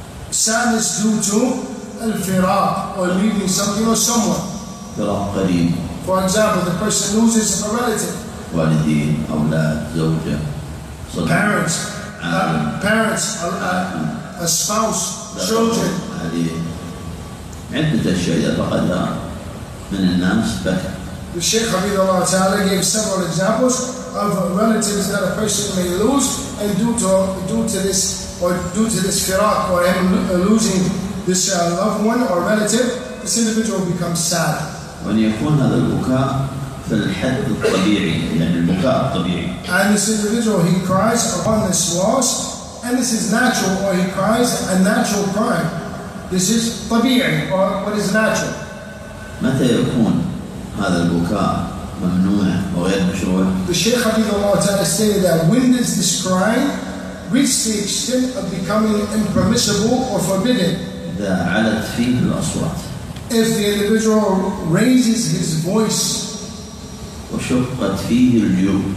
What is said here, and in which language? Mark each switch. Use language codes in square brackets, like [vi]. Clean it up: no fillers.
[en] Sad is due to al-firaq, or leaving something or someone. [ar] Firaq qadeem. [en] For example, the person loses a relative. [ar] Walideen, awlad, zawja, [en] son. Parents. Parents, a spouse, children. [ar] عدة أشياء فقدها من الناس بكى. [en] The Shaykh Habib Allah Ta'ala gave several examples of relatives that a person may lose and due to this firaq or him losing this loved one or relative, this individual becomes sad. [ar] وأن يكون هذا البكاء في الحد الطبيعي يعني البكاء الطبيعي. [en] And this individual he cries upon this loss and this is natural or he cries a natural cry. This is طبيعي or what is natural. [ar] متى يكون هذا البكاء ممنوع وغير مشروع؟ [en] The Shaykh Habibullah Ta'ala stated that when does this crying reach the extent of becoming impermissible or forbidden? [ar] إذا علت فيه الأصوات. [en] If the individual raises his voice. [ar] وشقت فيه الجيوب.